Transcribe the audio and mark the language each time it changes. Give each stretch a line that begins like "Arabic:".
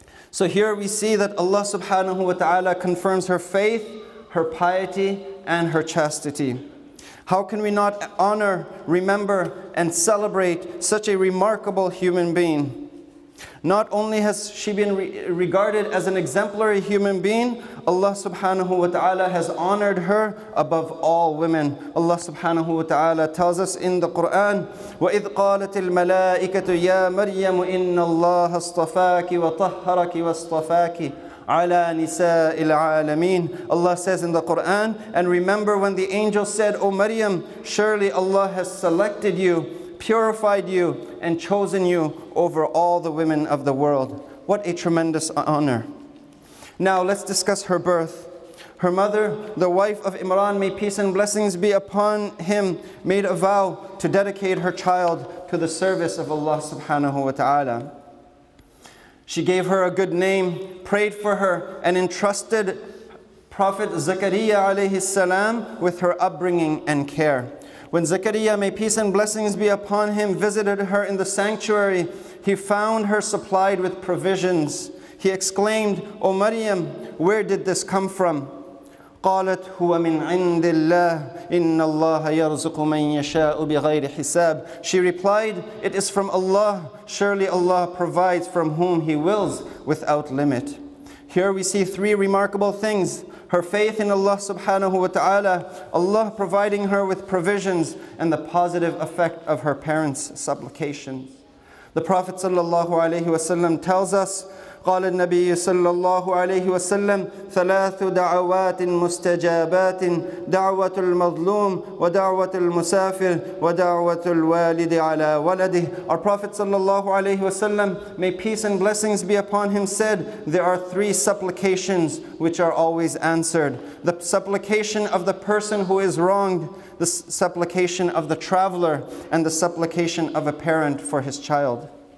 English: So here we see that Allah subhanahu wa ta'ala confirms her faith, her piety, and her chastity. How can we not honor, remember, and celebrate such a remarkable human being? Not only has she been regarded as an exemplary human being, Allah subhanahu wa ta'ala has honored her above all women. Allah subhanahu wa ta'ala tells us in the Qur'an,
Arabic: وَإِذْ قَالَتِ الْمَلَائِكَةُ يَا مَرْيَمُ إِنَّ اللَّهَ اصْطَفَاكِ وَطَهَّرَكِ وَاصْطَفَاكِ عَلَى نِسَاءِ الْعَالَمِينَ.
English: Allah says in the Qur'an, and remember when the angel said, O Maryam, surely Allah has selected you, purified you, and chosen you over all the women of the world. What a tremendous honor. Now let's discuss her birth. Her mother, the wife of Imran, may peace and blessings be upon him, made a vow to dedicate her child to the service of Allah subhanahu wa ta'ala. She gave her a good name, prayed for her, and entrusted Prophet Zakarya alayhi salam with her upbringing and care. When Zakarya, may peace and blessings be upon him, visited her in the sanctuary, he found her supplied with provisions. He exclaimed, O Maryam, where did this come from?
Arabic: قالت هو من عند الله إن الله يرزق من يشاء بغير حساب.
English: She replied, it is from Allah. Surely Allah provides from whom He wills without limit. Here we see three remarkable things. Her faith in Allah subhanahu wa ta'ala, Allah providing her with provisions, and the positive effect of her parents' supplications. The Prophet sallallahu alayhi wa sallam tells us,
Arabic: قَالَ النَّبِيُّ صَلَّى اللَّهُ عَلَيْهِ وَسَلَّمْ ثَلَاثُ دَعَوَاتٍ مُسْتَجَابَاتٍ دَعْوَةُ الْمَظْلُومِ وَدَعْوَةُ الْمُسَافِرِ وَدَعْوَةُ الْوَالِدِ عَلَى وَلَدِهِ.
English: Our Prophet sallallahu alayhi wa sallam, may peace and blessings be upon him, said, there are three supplications which are always answered. The supplication of the person who is wronged, the supplication of the traveler, and the supplication of a parent for his child.